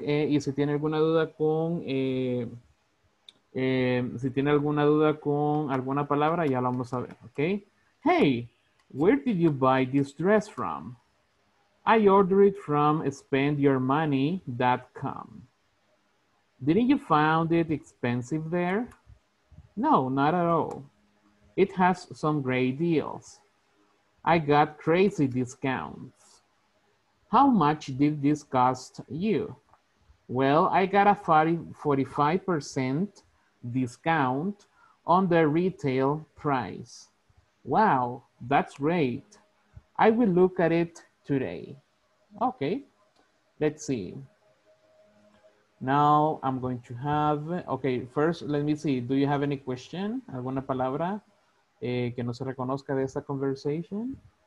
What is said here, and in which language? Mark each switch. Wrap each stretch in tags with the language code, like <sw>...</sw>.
<es>Y si tiene alguna duda con, si tiene alguna duda con alguna palabra, ya la vamos a ver, okay?</es> <en>Hey, where did you buy this dress from? I ordered it from spendyourmoney.com. Didn't you find it expensive there? No, not at all. It has some great deals. I got crazy discounts. How much did this cost you? Well, I got a 45% discount on the retail price. Wow, that's great. I will look at it today. Okay, let's see. Now I'm going to have, okay, first let me see. Do you have any question?</en> <es>¿Alguna palabra que no se reconozca de esta conversation?</es>